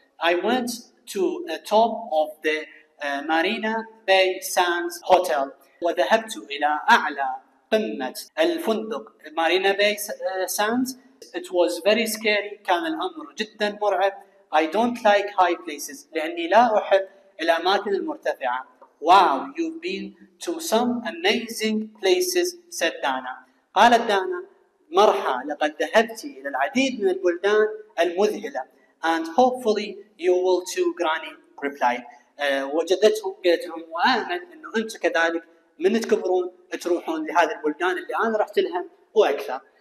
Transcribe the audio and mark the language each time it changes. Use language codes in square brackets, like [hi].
[en] I went to the top of the Marina Bay Sands Hotel، [ar] وذهبت إلى أعلى قمة الفندق Marina Bay Sands. [en] It was very scary، [ar] كان الأمر جدا مرعب. [en] I don't like high places، [ar] لأني لا أحب الأماكن المرتفعة. [en] Wow you've been to some amazing places، said Dana. [ar] قالت دانا مرحى لقد ذهبت إلى العديد من البلدان المذهلة. [en] And hopefully you will too، Granny replied. [ar] وجدتهم قالت لهم وأمل أنه أنت كذلك من تكبرون تروحون لهذه البلدان اللي أنا رحت لها وأكثر.